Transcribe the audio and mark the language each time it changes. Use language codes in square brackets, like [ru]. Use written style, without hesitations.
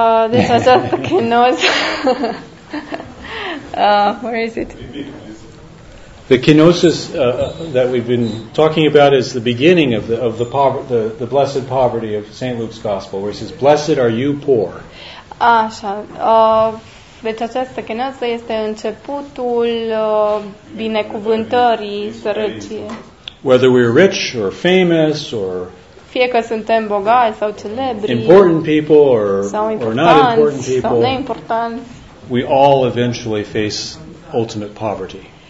[en] This is just the kenosis. Where is it? The kenosis that we've been talking about is the beginning of the blessed poverty of St. Luke's Gospel, where he says, "Blessed are you poor." [ro] Așa, deci această kenoză este începutul binecuvântării sărăciei. [en] Whether we're rich or famous or [ro] fie că suntem bogați sau celebri, [en] important people or not important people, [ro] sau neimportanți, [en] we all eventually face ultimate poverty.